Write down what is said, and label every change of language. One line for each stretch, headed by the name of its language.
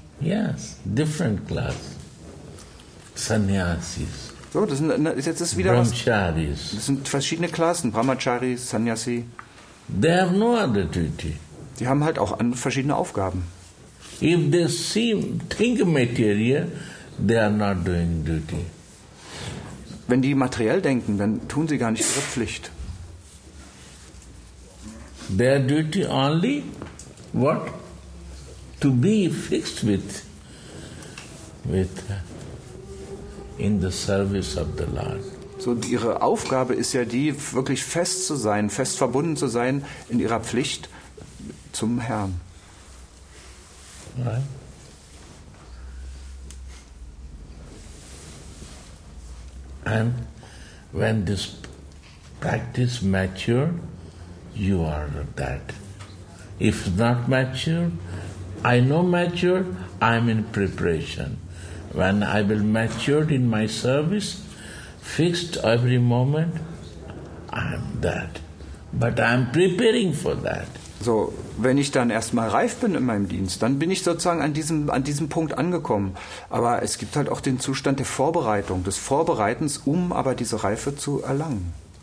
English: Yes, different class. Sannyasis.
German: So, das ist jetzt wieder
English: Brahmacharis.
German: Was. Das sind verschiedene Klassen, Brahmachari, Sannyasi.
English: They have no other duty.
German: Die haben halt auch verschiedene Aufgaben.
English: If they think material, they are not doing duty.
German: Wenn die materiell denken, dann tun sie gar nicht ihre Pflicht.
English: Their duty only what? To be fixed with in the service of the Lord.
German: So ihre Aufgabe ist ja die, wirklich fest zu sein, fest verbunden zu sein in ihrer Pflicht zum Herrn.
English: Right. And when this practice mature, you are that. If not mature, I know mature, I am in preparation. When I will mature in my service, fixed every moment, I am that. But I am preparing for that.
German: So, wenn ich dann erstmal reif bin in meinem Dienst, dann bin ich sozusagen an diesem Punkt angekommen. Aber es gibt halt auch den Zustand der Vorbereitung, des Vorbereitens, um aber diese Reife zu erlangen.